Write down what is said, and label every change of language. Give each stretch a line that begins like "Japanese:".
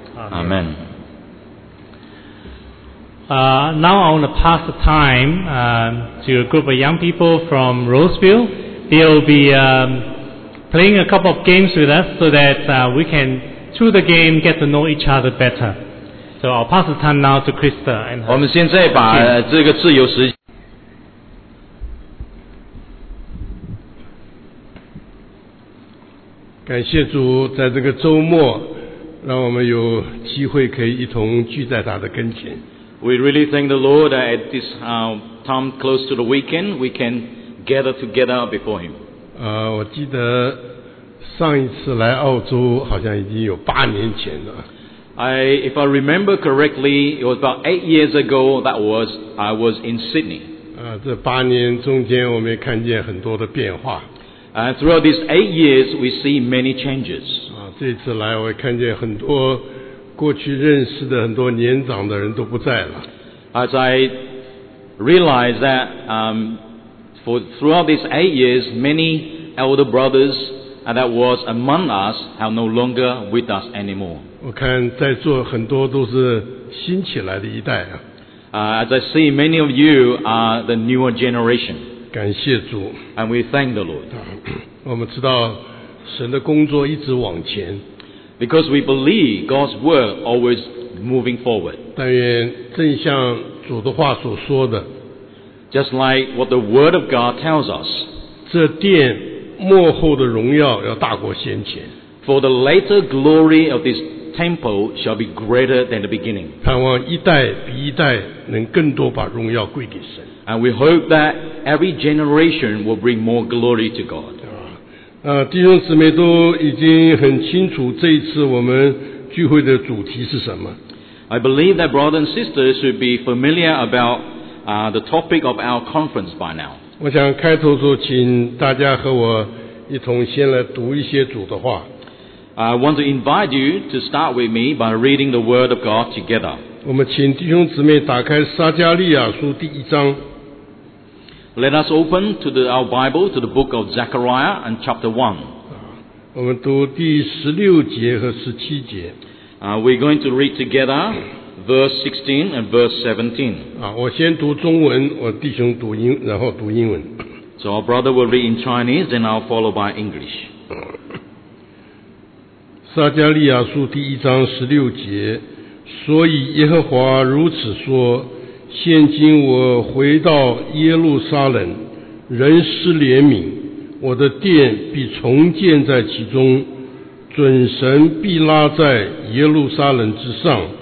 English: Amen. Now I want to pass the time to a group of young people from Roseville. They will be playing a couple of games with us so that we can, through the game, get to know each other better. So I'll pass the time now to Krista and her.
Chinese: 我们现在把这个自由时间感谢主，在这个周末，让我们有机会可以一同聚在他的跟前。
English: We really thank the Lord that at this time close to the weekend, we can gather together before Him.
Chinese: 我记得上一次来澳洲好像已经有八年前了。
English: If I remember correctly, it was about 8 years ago that was I was in Sydney.
Chinese: 这八年中间，我们也看见很多的变化。
English: Throughout these 8 years, we see many changes.
Chinese: 这次来我看见很多过去认识的很多年长的人都不在了。
English: As I realize that throughout these 8 years, many elder brothers that was among us are no longer with us anymore.
Chinese: 我看在座很多都是新起来的一代啊。
English: As I see, many of you are the newer generation.
Chinese: 感谢主
English: and we thank the Lord.
Chinese: 我们知道神的工作一直往前
English: because we believe God's word always moving forward.
Chinese: 但愿正像主的话所说的
English: just like what the word of God tells us,
Chinese: 这殿末后的荣耀要大过先前
English: for the later glory of this temple shall be greater than the beginning.
Chinese: 盼望一代比一代能更多把荣耀归给神
English: and we hope thatEvery generation will bring more glory to God.
Chinese: 弟兄姊妹都已经很清楚这一次我们聚会的主题是什么。
English: I believe that brothers and sisters should be familiar about the topic of our conference by now.
Chinese: 我想开头说，请大家和我一同先来读一些主的话。
English: I want to invite you to start with me by reading the Word of God together.
Chinese: 我们请弟兄姊妹打开撒迦利亚书第一章。
English: Let us open to our Bible to the book of Zechariah and chapter 1.
Chinese: 我们读第十六节和十七节。
English: We're going to read together verse 16 and verse 17.
Chinese: 我先读中文，我弟兄读英，然后读英文。
English: So our brother will read in Chinese, then I'll follow by English.
Chinese: 撒迦利亚书第一章十六节，所以耶和华如此说。现今我回到耶路撒冷，仍施怜悯，我的殿必重建在其中，准绳必拉在耶路撒冷之上。